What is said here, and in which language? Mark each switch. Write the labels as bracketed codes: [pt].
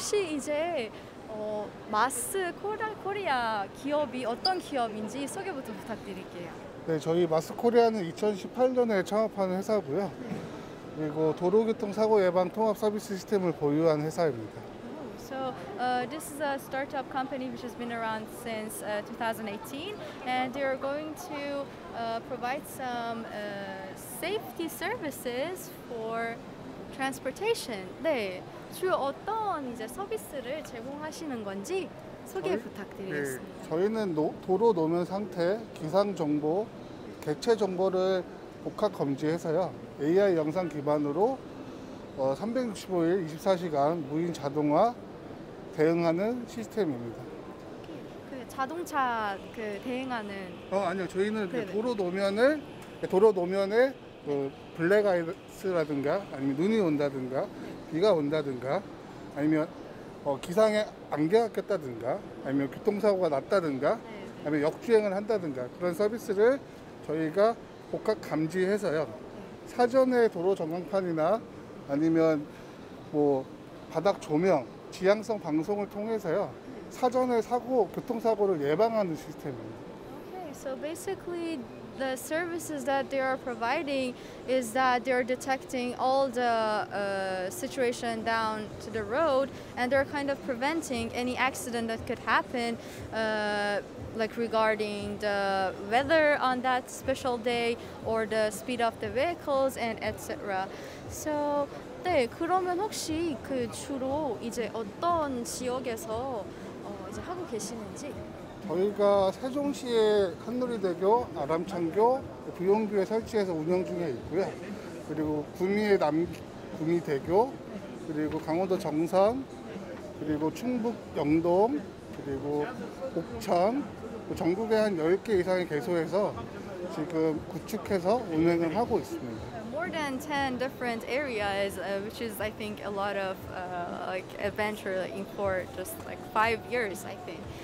[ko] 이제 마스 코리아 기업이 어떤 기업인지 소개부터 부탁드릴게요. 네, 저희 마스코리아는 2018년에 창업한 회사고요. 그리고 도로교통 사고 예방 통합 서비스 시스템을 보유한 회사입니다. [en] So, this is a startup company which has been around since 2018, and they are going to provide some safety services for transportation. [ko] 네, 주 어떤 이제 서비스를 제공하시는 건지 소개 부탁드리겠습니다. 저희는 도로 노면 상태, 기상 정보, 객체 정보를 복합 검지해서요. AI 영상 기반으로 365일 24시간 무인 자동화 대응하는 시스템입니다. 자동차 대응하는 아니요. 저희는 도로 노면에 블랙아이스라든가 아니면 눈이 온다든가 비가 온다든가 아니면 기상에 안개가 꼈다든가 아니면 교통사고가 났다든가 아니면 역주행을 한다든가 그런 서비스를 저희가 복합 감지해서요. 사전에 도로 전광판이나 아니면 뭐 바닥 조명, 지향성 방송을 통해서요. 사전에 사고, 교통사고를 예방하는 시스템입니다. [en] So basically, the services that they are providing is that they are detecting all the situation down to the road, and they're kind of preventing any accident that could happen, like regarding the weather on that special day or the speed of the vehicles and etc. So, [ko] 네, 그러면 혹시 그 주로 이제 어떤 지역에서 이제 하고 계시는지? 저희가 세종시의 한누리대교, 아람창교, 부용교에 설치해서 운영 중에 있고요. 그리고 구미의 구미대교, 그리고 강원도 정선, 그리고 충북 영동, 그리고 옥천, 전국에 한 10개 이상의 개소에서 지금 구축해서 운행을 하고 있습니다. [en] More than 10 different areas, which is, I think, a lot of like adventure for just like 5 years, I think.